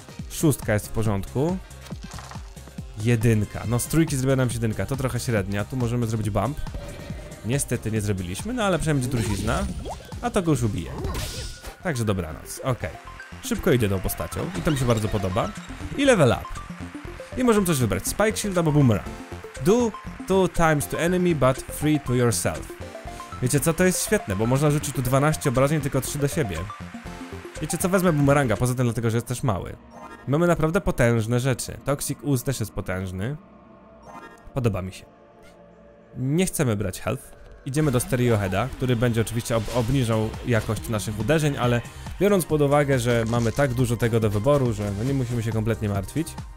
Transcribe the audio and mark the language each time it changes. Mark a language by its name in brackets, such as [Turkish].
[Polish] 6 jest w porządku. 1. No z 3 zrobiła nam 7. To trochę średnia. Tu możemy zrobić bump. Niestety nie zrobiliśmy, no ale przynajmniej trucizna. A to go już ubije. Także dobranoc. Okej. Szybko idzie tą postacią. I to mi się bardzo podoba. I level up. I możemy coś wybrać. Spike shield albo boomerang. [English] Do 2 times to enemy, but 3 to yourself. [Polish] Wiecie co? To jest świetne, bo można rzucić tu 12 obrażeń, tylko 3 do siebie. Wiecie co, wezmę bumeranga, poza tym dlatego, że jest też mały. Mamy naprawdę potężne rzeczy. Toxic Ooze też jest potężny. Podoba mi się. Nie chcemy brać health. idziemy do Stereoheada, który będzie oczywiście obniżał jakość naszych uderzeń, ale biorąc pod uwagę, że mamy tak dużo tego do wyboru, że no nie musimy się kompletnie martwić.